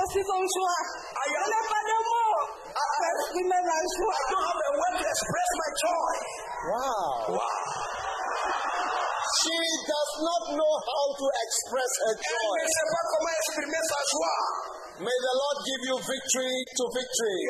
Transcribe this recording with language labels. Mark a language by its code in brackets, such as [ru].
[fr] Je n'ai pas de mots pour exprimer ma joie. [en] I don't have a word to express my joy. Wow. She does not know how to express her joy. [fr] Elle ne sait pas comment exprimer sa joie. [en] May the Lord give you victory to victory.